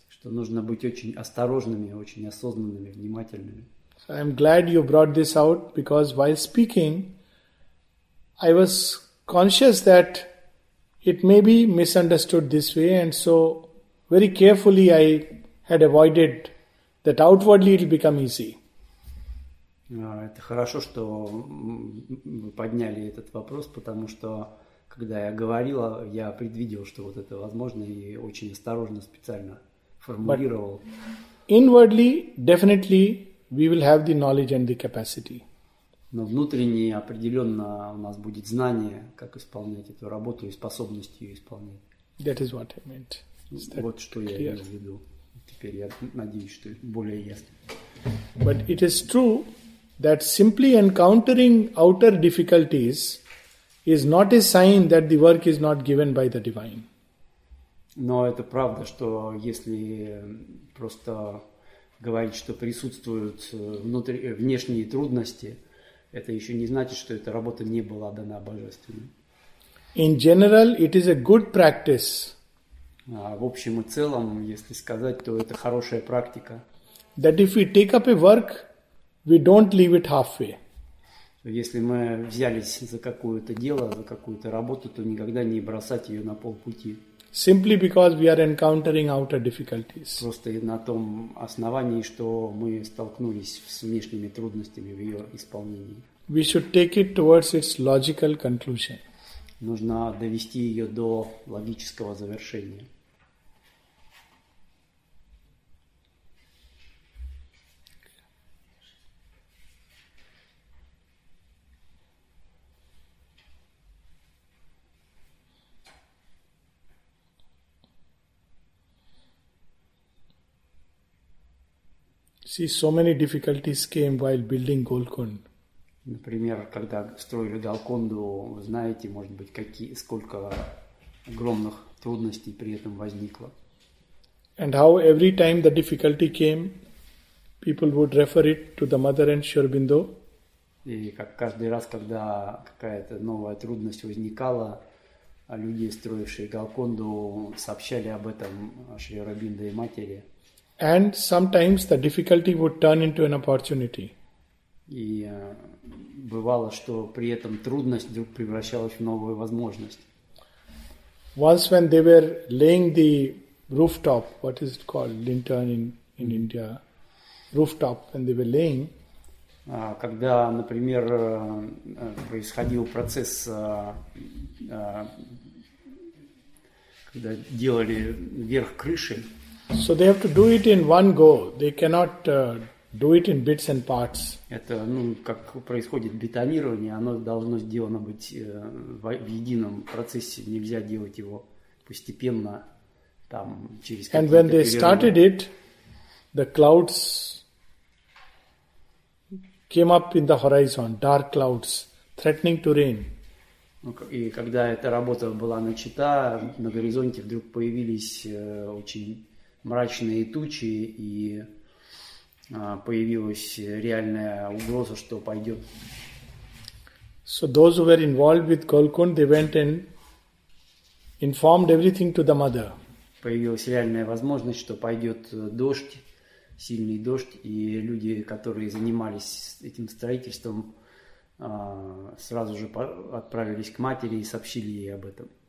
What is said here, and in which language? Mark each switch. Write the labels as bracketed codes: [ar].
[ru] Что нужно быть очень осторожными, очень осознанными, внимательными. [en] I am glad you brought this out because while speaking, I was conscious that It may be misunderstood this way, and so very carefully I had avoided that outwardly it will become easy. [ru] Это хорошо, что вы подняли этот вопрос, потому что когда я говорила, я предвидел, что вот это возможно, и очень осторожно специально формулировал. [en] Inwardly, definitely, we will have the knowledge and the capacity. [ru] Но внутренне определенно у нас будет знание, как исполнять эту работу и способность ее исполнять. [en] That is what I meant. Is that [ru] вот что [en] clear? [ru] Я имею в виду. Теперь я надеюсь, что более ясно. [en] But it is true that simply encountering outer difficulties is not a sign that the work is not given by the divine. [ru] Но это правда, что если просто говорить, что присутствуют внешние трудности, это еще не значит, что эта работа не была дана божественной. [en] In general, it is a good practice. [ru] В общем и целом, если сказать, то это хорошая практика. [en] That if we take up a work, we don't leave it halfway. [ru] Если мы взялись за какое-то дело, за какую-то работу, то никогда не бросать ее на полпути. [en] Simply because we are encountering outer difficulties. [ru] Просто на том основании, что мы столкнулись с внешними трудностями в ее исполнении. [en] We should take it towards its logical conclusion. [ru] Нужно довести ее до логического завершения. [en] See, so many difficulties came while building Golconda. [ru] Например, когда строили Голконду, знаете, может быть, какие, сколько огромных трудностей при этом возникло. [en] And how every time the difficulty came, people would refer it to the mother and Sri Aurobindo. [ru] И как каждый раз, когда какая-то новая трудность возникала, люди, строившие Голконду, сообщали об этом Шри Аурабинде и матери. [en] And sometimes the difficulty would turn into an opportunity. [ru] И бывало, что при этом трудность вдруг превращалась в новую возможность. [en] Once when they were laying the rooftop, what is it called, lintern in India, rooftop, when they were laying. [ru] Когда, например, происходил процесс, когда делали верх крыши. [en] So they have to do it in one go. They cannot do it in bits and parts. [ru] Это, ну, как происходит бетонирование, оно должно сделано быть в едином процессе. Нельзя делать его постепенно, там, через какие-то. [en] And when they started it, the clouds came up in the horizon, dark clouds, threatening to rain. [ru] И когда эта работа была начата, на горизонте вдруг появились очень мрачные тучи, и появилась реальная угроза, что пойдет. [en] So those who were involved with Golconda, they went and informed everything to the mother. [ru] Появилась реальная возможность, что пойдет дождь, сильный дождь, и люди, которые занимались этим строительством, сразу же отправились к матери и сообщили ей об этом.